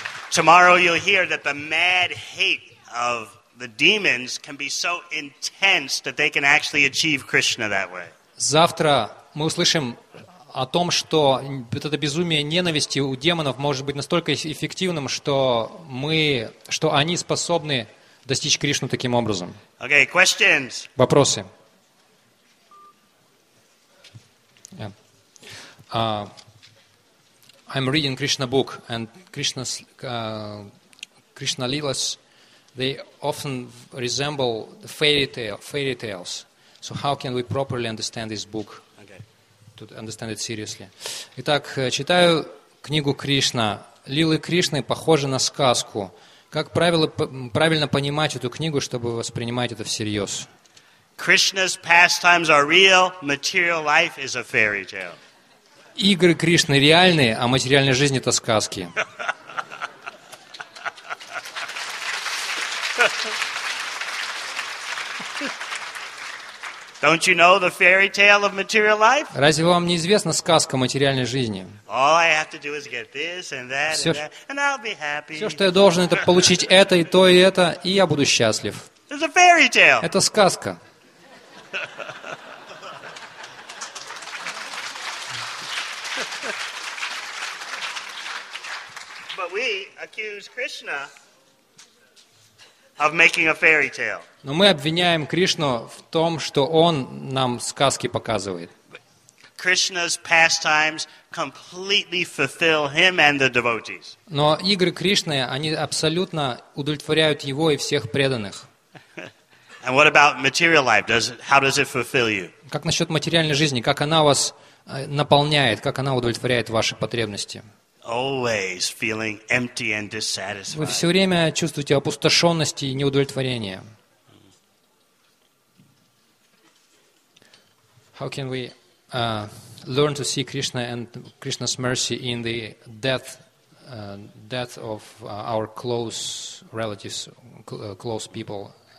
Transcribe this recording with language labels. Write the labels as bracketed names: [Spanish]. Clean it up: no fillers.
[English] Tomorrow you'll hear that the mad hate of the demons can be so intense that they can actually achieve Krishna that way. [Russian] Завтра мы услышим о том, что это безумие ненависти у демонов может быть настолько эффективным, что они способны достичь Кришну таким образом. [English] Okay, questions. [Russian] Вопросы. [English] I'm reading Krishna book and Krishna lilas. They often resemble the fairy tales. So how can we properly understand this book? Okay. To understand it seriously. [Russian] Итак, читаю книгу Кришна. Лилы Кришны похожи на сказку. Как правильно понимать эту книгу, чтобы воспринимать это всерьез? [English] Krishna's pastimes are real. Material life is a fairy tale. [Russian] Игры Кришны реальные, а материальная жизнь это сказки. [English] Don't you know the fairy tale of material life? [Russian] Разве вам не известна сказка материальной жизни? [English] All I have to do is get this and that and that, and I'll be happy. [Russian] Все, что я должен, это получить это и то и это, и я буду счастлив. [English] It's a fairy tale. [Russian] Это сказка. [English] But we accuse Krishna of making a fairy tale. [Russian] Но мы обвиняем Кришну в том, что он нам сказки показывает. [English] Krishna's pastimes completely fulfill him and the devotees. [Russian] Но игры Кришны, они абсолютно удовлетворяют его и всех преданных. [English] And what about material life? How does it fulfill you? [Russian] Как насчет материальной жизни? Как она вас наполняет? Как она удовлетворяет ваши потребности? [English] Always feeling empty and dissatisfied. [Russian] Вы все время чувствуете опустошенность и неудовлетворение. [English] How can we learn to see Krishna and Krishna's mercy in the death of our close relatives, close people?